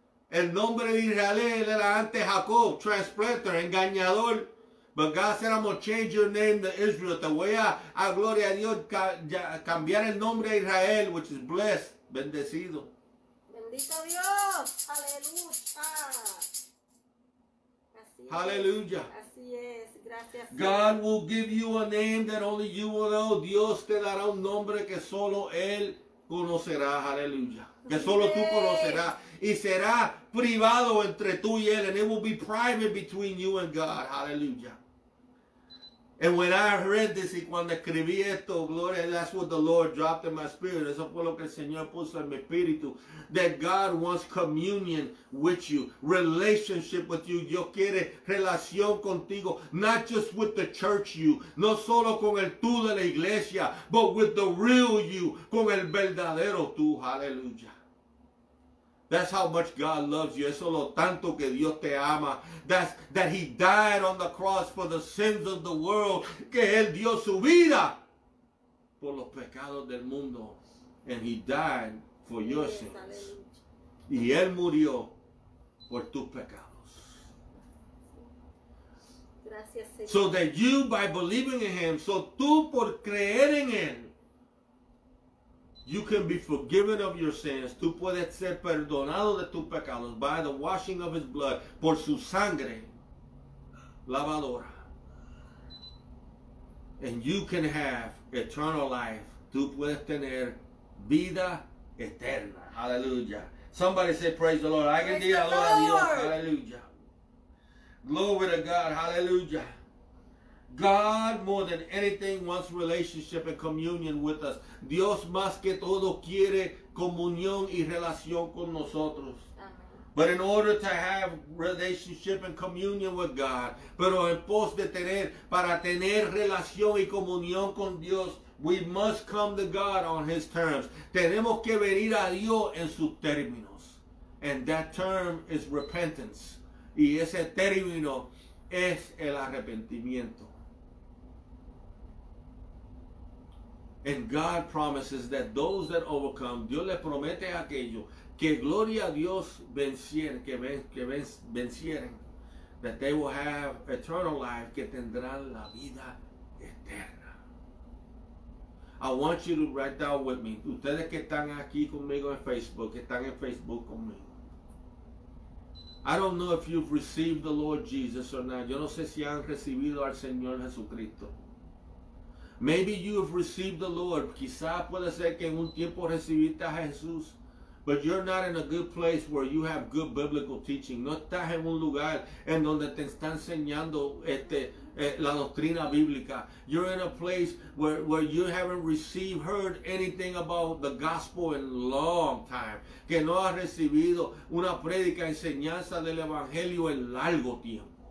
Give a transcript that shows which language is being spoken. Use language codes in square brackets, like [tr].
[es] El nombre de Israel era antes Jacob, transplanter, engañador. [en] But God said, I'm going to change your name to Israel. [es] Te voy a gloria a Dios, cambiar el nombre de Israel, [en] which is blessed, [es] bendecido. Bendito Dios. Aleluya. Aleluya. Así es. Gracias. [en] God will give you a name that only you will know. [es] Dios te dará un nombre que solo él conocerá. Aleluya. Que solo tú conocerás. Y será privado entre tú y él. [en] And it will be private between you and God. [es] Aleluya. [en] And when I read this, [es] y cuando escribí esto, gloria, [en] that's what the Lord dropped in my spirit. [es] Eso fue lo que el Señor puso en mi espíritu. [en] That God wants communion with you, relationship with you. [es] Dios quiere relación contigo, [en] not just with the church you, [es] no solo con el tú de la iglesia, [en] but with the real you, [es] con el verdadero tú. Aleluya. [en] That's how much God loves you. [es] Eso es lo tanto que Dios te ama. [en] That's that he died on the cross for the sins of the world. [es] Que él dio su vida por los pecados del mundo. [en] And he died for your sins. [es] Y él murió por tus pecados. Gracias, Señor. [en] So that you, by believing in him, [es] so tú por creer en él, [en] you can be forgiven of your sins. [es] Tú puedes ser perdonado de tus pecados [en] by the washing of his blood, [es] por su sangre lavadora. [en] And you can have eternal life. [es] Tú puedes tener vida eterna. [en] Hallelujah. Somebody say praise the Lord. I can praise the Lord. Hallelujah. Glory to God. Hallelujah. God, more than anything, wants relationship and communion with us. [es] Dios más que todo quiere comunión y relación con nosotros. [en] But in order to have relationship and communion with God, [es] pero en pos de tener, para tener relación y comunión con Dios, [en] we must come to God on his terms. [es] Tenemos que venir a Dios en sus términos. [en] And that term is repentance. [es] Y ese término es el arrepentimiento. [en] And God promises that those that overcome, [es] Dios le promete a aquellos que gloria a Dios vencieren, que vencieren, [en] that they will have eternal life, [es] que tendrán la vida eterna. [en] I want you to write down with me, [es] ustedes que están aquí conmigo en Facebook, que están en Facebook conmigo. [en] I don't know if you've received the Lord Jesus or not. [es] Yo no sé si han recibido al Señor Jesucristo. [en] Maybe you have received the Lord. [es] Quizá puede ser que en un tiempo recibiste a Jesús. [en] But you're not in a good place where you have good biblical teaching. [es] No estás en un lugar en donde te están enseñando la doctrina bíblica. [en] You're in a place where you haven't received, heard anything about the gospel in a long time. [es] Que no has recibido una prédica, enseñanza del evangelio en largo tiempo.